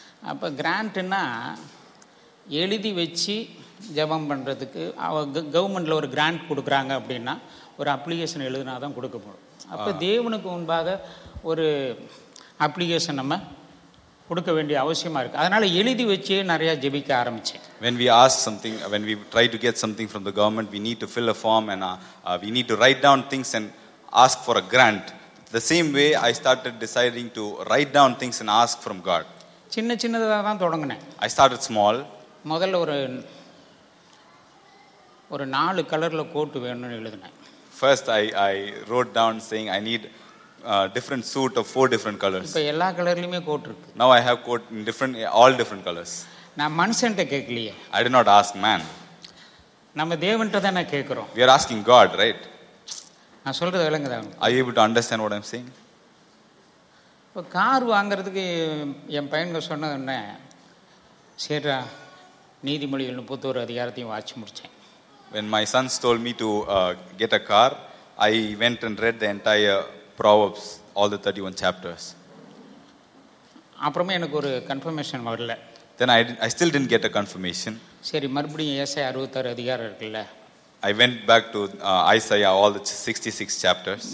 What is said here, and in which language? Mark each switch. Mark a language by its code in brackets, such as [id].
[ta] அப்ப grant னா எழுதி வச்சு ஜெபம் பண்றதுக்கு கவர்மெண்ட்ல ஒரு grant கொடுக்கறாங்க அப்படினா ஒரு அப்ளிகேஷன் எழுதினா தான் கொடுக்க முடியும். அப்ப தேவனுக்கு முன்பாக ஒரு அப்ளிகேஷன் நம்ம கொடுக்க வேண்டிய அவசியமா இருக்கு. அதனால எழுதி வச்சே நிறைய ஜெபிக்க ஆரம்பிச்சேன். [en] When we ask something, when we try to get something from the government, we need to fill a form and we need to write down things and ask for a grant. The same way I started deciding to write down things and ask from God. [ta] சின்ன சின்னதா தான் தொடங்கினேன். [en] I started small. [ta] முதல்ல ஒரு 4 கலர்ல code வேணும்னு எழுதினேன். [en] First I wrote down saying I need a different suit of 4 different colors. [ta] இப்ப எல்லா கலர்லயுமே கோட் இருக்கு. [en] Now I have coat in different all different colors. [ta] நான் மனுஷன்ட்ட கேக்கலையே. [en] I did not ask man. [ta] நம்ம தேவன்ட்ட தான கேக்குறோம். [en] We are asking God, right? [ta] நான் சொல்றது விளங்குதா? [en] Are you able to understand what I'm saying? [ta] இப்போ கார் வாங்குறதுக்கு என் பையன் சொன்னது என்ன, சரிடா நீதிமொழிகள் 31 அதிகாரத்தையும் வாசி முடிச்சேன். [en] When my sons told me to get a car, I went and read the entire Proverbs, all the 31 chapters. [ta] அப்புறமே எனக்கு ஒரு கன்ஃபர்மேஷன் வரல. [en] Then I still didn't get a confirmation. [ta] சரி மறுபடியும் ஏசாயா 66 அதிகாரம் இருக்குல்ல, [en] I went back to Isaiah, all the 66 chapters.